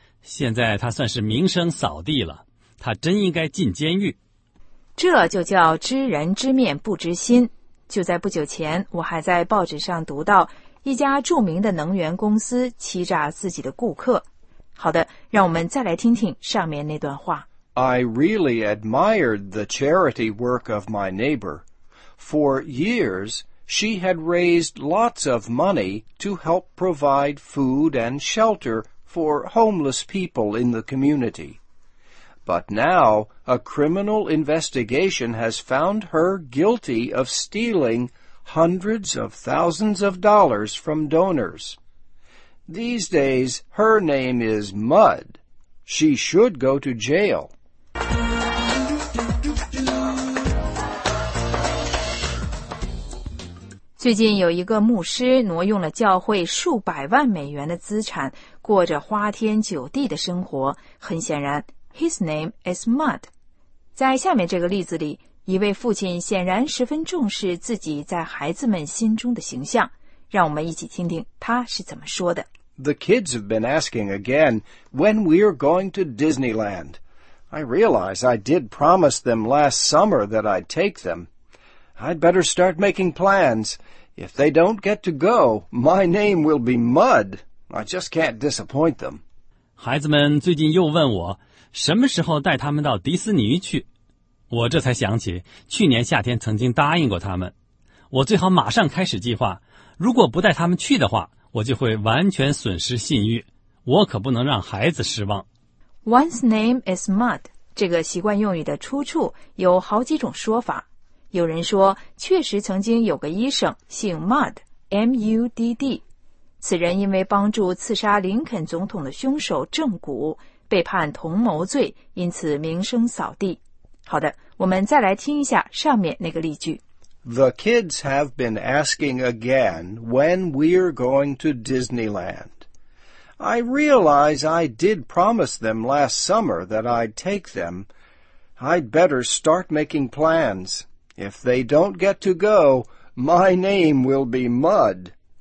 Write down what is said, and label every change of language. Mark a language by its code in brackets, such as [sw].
[zh] 现在他算是名声扫地了，他真应该进监狱。这就叫知人知面不知心。就在不久前，我还在报纸上读到一家著名的能源公司欺诈自己的顾客。好的，让我们再来听听上面那段话。 [en] I really admired the charity work of my neighbor. For years, she had raised lots of money to help provide food and shelter for homeless people in the community. But now, a criminal investigation has found her guilty of stealing hundreds of thousands of dollars from donors. These days, her name is Mud. She should go to jail. [zh] 最近有一个牧师挪用了教会数百万美元的资产，过着花天酒地的生活。很显然 [en] ,his name is Mud。 [zh] 在下面这个例子里，一位父亲显然十分重视自己在孩子们心中的形象。让我们一起听听他是怎么说的。 [en] The kids have been asking again when we're going to Disneyland. I realize I did promise them last summer that I'd take them. I'd better start making plans. If they don't get to go, my name will be Mud. I just can't disappoint them. [zh] 孩子们最近又问我什么时候带他们到迪斯尼去。我这才想起去年夏天曾经答应过他们。我最好马上开始计划。如果不带他们去的话，我就会完全损失信誉。我可不能让孩子失望。 [en] One's name is Mud. [zh] 这个习惯用语的出处有好几种说法。有人说确实曾经有个医生姓 Mudd, M-U-D-D。此人因为帮助刺杀林肯总统的凶手正骨被判同谋罪，因此名声扫地。好的，我们再来听一下上面那个例句。 [en] The kids have been asking again when we're going to Disneyland. I realize I did promise them last summer that I'd take them. I'd better start making plans. If they don't get to go, my name will be Mud.